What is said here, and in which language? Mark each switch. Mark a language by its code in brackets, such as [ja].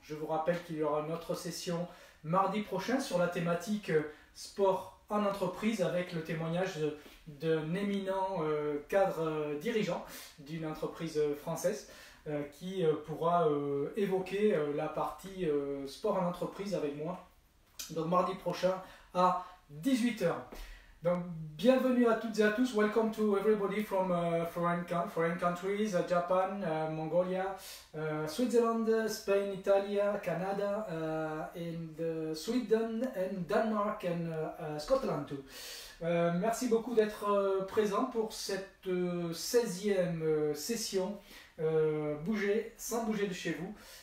[fr] Je vous rappelle qu'il y aura une autre session mardi prochain sur la thématique sport en entreprise avec le témoignage d'un éminent cadre dirigeant d'une entreprise française qui pourra évoquer la partie sport en entreprise avec moi. Donc mardi prochain à 18h. Donc bienvenue à toutes et à tous. [en] Welcome to everybody from foreign countries, Japan, Mongolia, Switzerland, Spain, Italia, Canada, and Sweden and Denmark and Scotland too. [fr] Merci beaucoup d'être présent pour cette 16e session bouger sans bouger de chez vous.